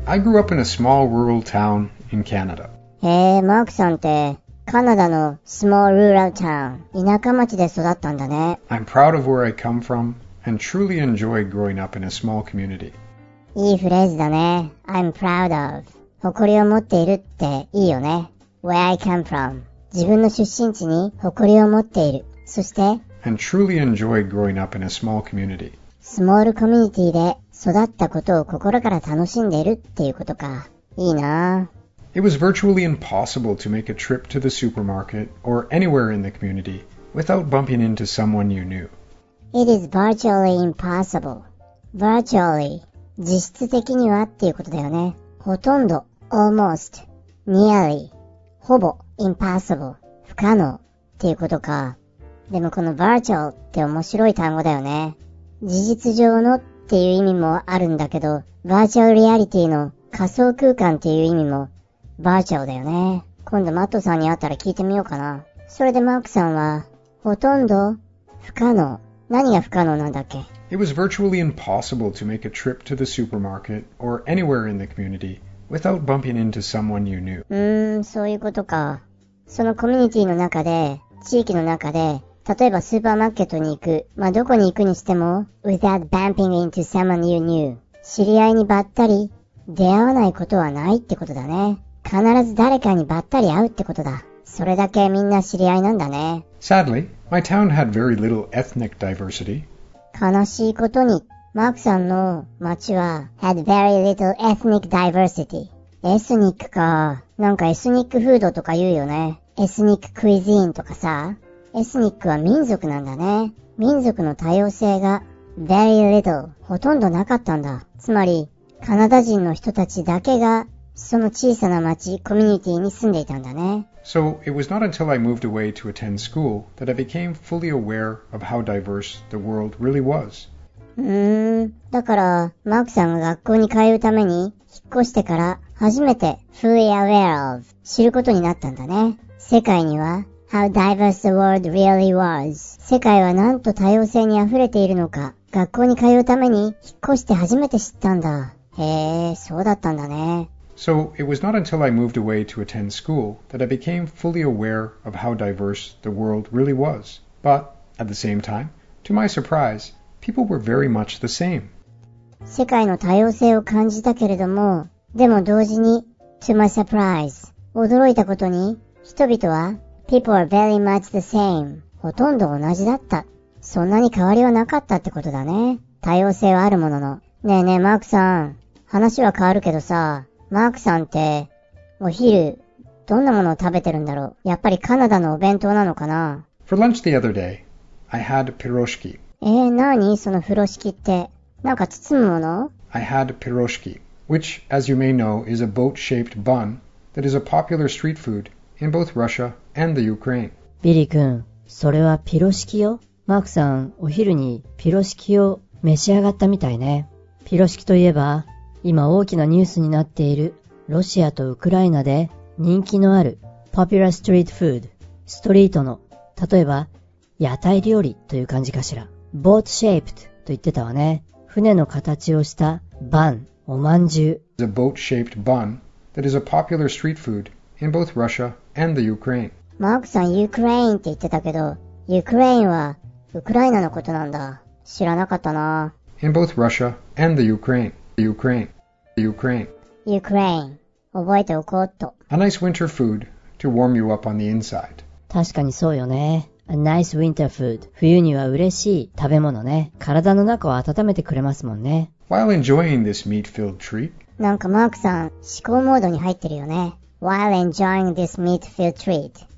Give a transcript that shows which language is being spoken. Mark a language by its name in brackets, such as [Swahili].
[English] I grew up in a small rural town in Canada. [Japanese] マークさんって、カナダの [English] small rural town、 [Japanese] 田舎町で育ったんだね。 [English] I'm proud of where I come from and truly enjoy growing up in a small community. [Japanese] いいフレーズだね。 [English] I'm proud of。 [Japanese] 誇りを持っているっていいよね。 [English] Where I come from。 [Japanese] 自分の出身地に誇りを持っている。そして、 [English] And truly enjoy growing up in a small community. [Japanese] スモールコミュニティで育ったことを心から楽しんでいるっていうことか。いいな。 [English] It was virtually impossible to make a trip to the supermarket or anywhere in the community without bumping into someone you knew. It is virtually impossible. Virtually. [Japanese] 実質的にはっていうことだよね。ほとんど。 [English] Almost. Nearly. [Japanese] ほぼ。 [English] Impossible. [Japanese] 不可能。っていうことか。でもこの virtual って面白い単語だよね。事実上のっていう意味もあるんだけど、バーチャルリアリティの仮想空間っていう意味もバーチャルだよね。今度マットさんに会ったら聞いてみようかな。それでマークさんは、ほとんど不可能。何が不可能なんだっけ? [English] It was virtually impossible to make a trip to the supermarket or anywhere in the community without bumping into someone you knew. [Japanese] そういうことか。そのコミュニティの中で、地域の中で、例えばスーパーマーケットに行く。まあ、どこに行くにしても、 [English] without bumping into someone you knew. [Japanese] 知り合いにばったり出会わないことはないってことだね。必ず誰かにばったり会うってことだ。それだけみんな知り合いなんだね。 [English] Sadly, my town had very little ethnic diversity. [Japanese] 悲しいことに、マークさんの町は [English] had very little ethnic diversity. [Japanese] エスニックか。なんかエスニックフードとか言うよね。エスニッククイジーンとかさ。エスニックは民族なんだね。民族の多様性が [English] very little [Japanese] ほとんどなかったんだ。つまりカナダ人の人たちだけがその小さな町コミュニティに住んでいたんだね。 [English] So it was not until I moved away to attend school that I became fully aware of how diverse the world really was. [Japanese] だからマークさんが学校に通うために引っ越してから初めて [English] fully aware of [Japanese] 知ることになったんだね。世界には [English] How diverse the world really was. [Japanese] 世界はなんと多様性にあふれているのか。学校に通うために引っ越して初めて知ったんだ。へえ、そうだったんだね。 [English] So it was not until I moved away to attend school that I became fully aware of how diverse the world really was. But at the same time, to my surprise, people were very much the same. [Japanese] 世界の多様性を感じたけれども、でも同時に、 [English] to my surprise, [Japanese] 驚いたことに、人々は [English] People are very much the same. [Japanese] ほとんど同じだった。そんなに変わりはなかったってことだね。多様性はあるものの。ねえねえ、マークさん。話は変わるけどさ、マークさんって、お昼、どんなものを食べてるんだろう。やっぱりカナダのお弁当なのかな。 [English] For lunch the other day, I had piroshki. [Japanese] 何その風呂敷って。なんか包むもの [English] ?I had piroshki, which, as you may know, is a boat-shaped bun that is a popular street food in both Russia and the Ukraine. [Japanese] ビリー君、それはピロシキよ。マークさん、お昼にピロシキを召し上がったみたいね。ピロシキといえば、今大きなニュースになっているロシアとウクライナで人気のある [English] popular street food、 [Japanese] ストリートの、例えば屋台料理という感じかしら。 boat shaped と言ってたわね。船の形をしたバン、おまんじゅう。 [English] It's a boat shaped bun that is a popular street food in both Russia and the Ukraine. [Japanese] マークさん、ユクレインって言ってたけど、ユクレインはウクライナのことなんだ。知らなかったな。 [English] In both Russia and the Ukraine. Ukraine. [Japanese] Ukraine. 覚えておこうっと。 [English] A nice winter food to warm you up on the inside. [Japanese] 確かにそうよね。 [English] A nice winter food. [Japanese] 冬には嬉しい食べ物ね。体の中を温めてくれますもんね。 [English] While enjoying this meat-filled treat. [Japanese] なんかマークさん、思考モードに入ってるよね。 [English] While enjoying this meat-filled treat.